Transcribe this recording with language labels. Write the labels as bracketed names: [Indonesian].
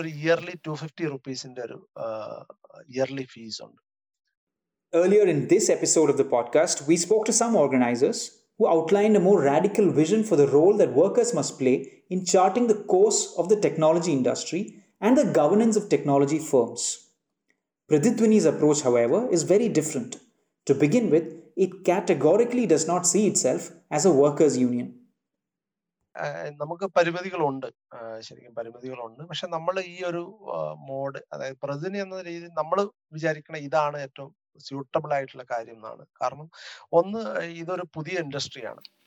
[Malayalam] ഒരു ഇയർലി 250 റുപ്പീസിന്റെ ഒരു yearly fees ഉണ്ട് [English] Earlier in this episode of the podcast we spoke to some organisers who outlined a more radical vision for the role that workers must play in charting the course of the technology industry and the governance of technology firms. Pradidhwini's approach, however, is very different. To begin with, it categorically does not see itself as a workers' union. [Malayalam] നമുക്ക് പരിമിതികളുണ്ട് ശരിക്കും പരിമിതികളുണ്ട് പക്ഷെ നമ്മൾ ഈ ഒരു mode അതായത് പ്രതിനിധി എന്ന രീതിയിൽ നമ്മൾ വിചാരിക്കുന്ന ഇതാണ് ഏറ്റവും സ്യൂട്ടബിൾ ആയിട്ടുള്ള കാര്യം എന്നാണ് കാരണം ഒന്ന് ഇതൊരു പുതിയ ഇൻഡസ്ട്രിയാണ്